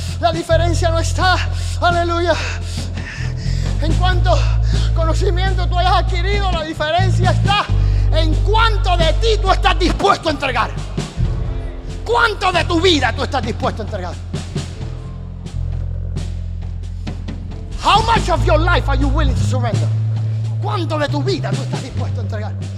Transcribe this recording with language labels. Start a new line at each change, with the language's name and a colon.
Spanish: La diferencia no está, aleluya, en cuanto conocimiento tú hayas adquirido. La diferencia está en cuanto de ti tú estás dispuesto a entregar. Cuánto de tu vida tú estás dispuesto a entregar.
English: How much of your life are you willing to surrender?
Spanish: ¿Cuánto de tu vida tú estás dispuesto a entregar?